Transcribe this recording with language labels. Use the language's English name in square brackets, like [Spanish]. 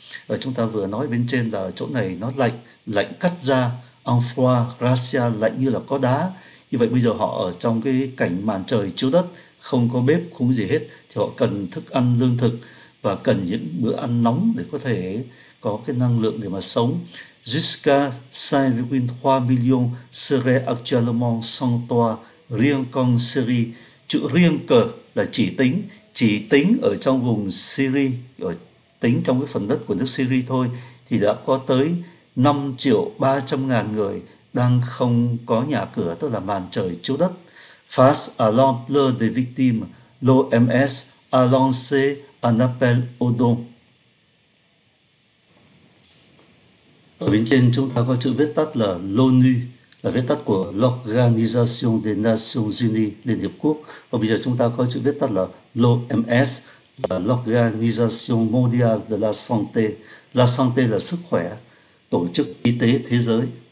[Vietnamese] Ở chúng ta vừa nói bên trên là chỗ này nó lạnh, lạnh cắt da, [French] en froid racial, [Vietnamese] lạnh như là có đá. Như vậy bây giờ họ ở trong cái cảnh màn trời chiếu đất, không có bếp, không gì hết, thì họ cần thức ăn lương thực và cần những bữa ăn nóng để có thể có cái năng lượng để mà sống. [French] Jusqu'à 5,3 millions seraient actuellement sans toit rien qu'en Syrie. [Vietnamese] Chữ riêng cơ là chỉ tính ở trong vùng Syria, tính trong cái phần đất của nước Syria thôi, thì đã có tới 5.300.000 người đang không có nhà cửa, tức là màn trời chiếu đất. [French] Face à l'ampleur des victimes, l'OMS a lancé un appel aux dons. [Vietnamese] Ở bên trên chúng ta có chữ viết tắt là l'ONU, l'Organisation là viết tắt của L'Organisation des Nations Unies, Liên Hiệp Quốc. Và bây giờ chúng ta có chữ viết tắt là L'OMS, là L'Organisation Mondiale de la Santé. La Santé là sức khỏe, Tổ chức Y tế Thế giới.